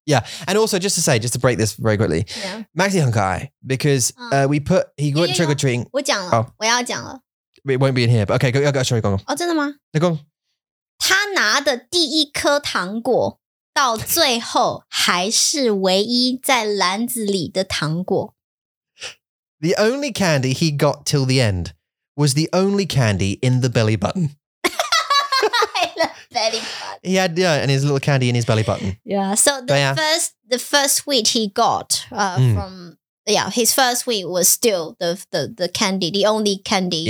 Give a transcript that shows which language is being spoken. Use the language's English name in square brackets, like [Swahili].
[English] Yeah, and also just to say, just to break this very quickly, yeah. Max [Chinese] 也很可爱, [English] because we put, he went trick-or-treating. [Chinese] 我讲了。 [English] It won't be in here, but okay, go. [Chinese] 哦,真的吗? 他拿的第一颗糖果, 到最后还是唯一在篮子里的糖果。 [English] The only candy he got till the end was the only candy in the belly button. Belly button. He had, yeah, and his little candy in his belly button. Yeah, so the first sweet he got from, yeah, his first sweet was still the candy, the only candy